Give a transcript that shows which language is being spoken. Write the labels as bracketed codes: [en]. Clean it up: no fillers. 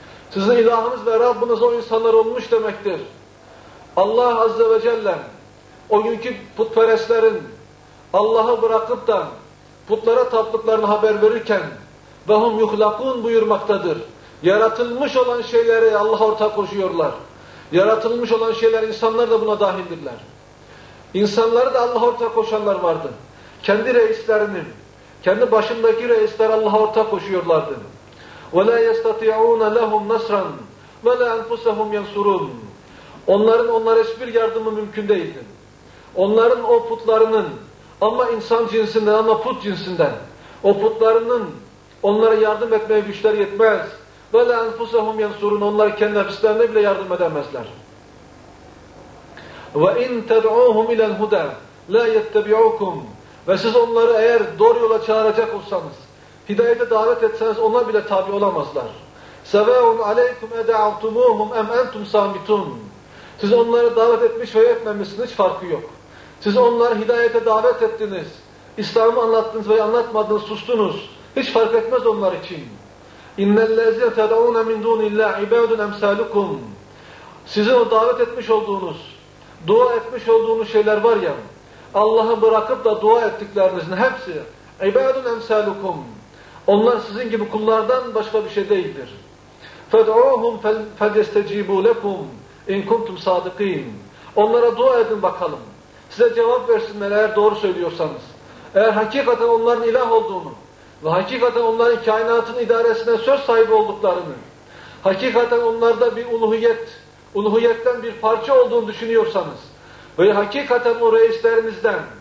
[tr] Sizin ilahınız ve Rabbiniz o insanlar olmuş demektir. Allah Azze ve Celle, o günkü putperestlerin Allah'ı bırakıp da putlara taptıklarını haber verirken, [ar] وَهُمْ يُخْلَقُونَ [tr] buyurmaktadır. Yaratılmış olan şeyleri Allah'a ortak koşuyorlar. Yaratılmış olan şeyler insanlar da buna dahildirler. İnsanları da Allah'a ortak koşanlar vardı. Kendi reislerinin, kendi başındaki reisler Allah'a ortak koşuyorlardı. [ar] وَلَا يَسْتَطِعُونَ لَهُمْ نَصْرًا وَلَا أَنْفُسَهُمْ يَنْصُرُونَ [tr] Onların, onlara hiçbir yardımı mümkün değildi. Onların o putlarının, ama insan cinsinden, ama put cinsinden, o putlarının onlara yardım etmeye güçler yetmez. [ar] وَلَا أَنْفُسَهُمْ يَنْصُرُونَ [tr] Onlar kendi nefislerine bile yardım edemezler. [ar] وَاِنْ تَدْعُوهُمْ اِلَى الْهُدَى لَا يَتَّبِعُوكُمْ [tr] Ve siz onları eğer doğru yola çağıracak olsanız, hidayete davet etseniz ona bile tabi olamazlar. [ar] سَوَاءٌ عَلَيْكُمْ اَدَعَوْتُمُوهُمْ اَمْ اَنْتُمْ صَامِتُونَ [tr] Siz onları davet etmiş veya etmemişsiniz, hiç farkı yok. Siz onları hidayete davet ettiniz, İslam'ı anlattınız veya anlatmadınız, sustunuz. Hiç fark etmez onlar için. [ar] اِنَّ الَّذِينَ تَدَعُونَ مِنْ دُونِ اللّٰهِ عِبَادٌ اَمْسَالُكُمْ [tr] Sizin o davet etmiş olduğunuz, dua etmiş olduğunuz şeyler var ya, Allah'ı bırakıp da dua ettiklerinizin hepsi [ar] عِبَادٌ اَمْسَالُكُمْ [tr] Onlar sizin gibi kullardan başka bir şey değildir. [ar] فَدْعُوهُمْ فَلْيَسْتَجِيبُوا لَكُمْ اِنْ كُمْتُمْ صَادِقِينَ [tr] Onlara dua edin bakalım. Size cevap versinler eğer doğru söylüyorsanız. Eğer hakikaten onların ilah olduğunu ve hakikaten onların kainatın idaresine söz sahibi olduklarını, hakikaten onlarda bir uluhiyet, uluhiyetten bir parça olduğunu düşünüyorsanız ve hakikaten o reislerinizden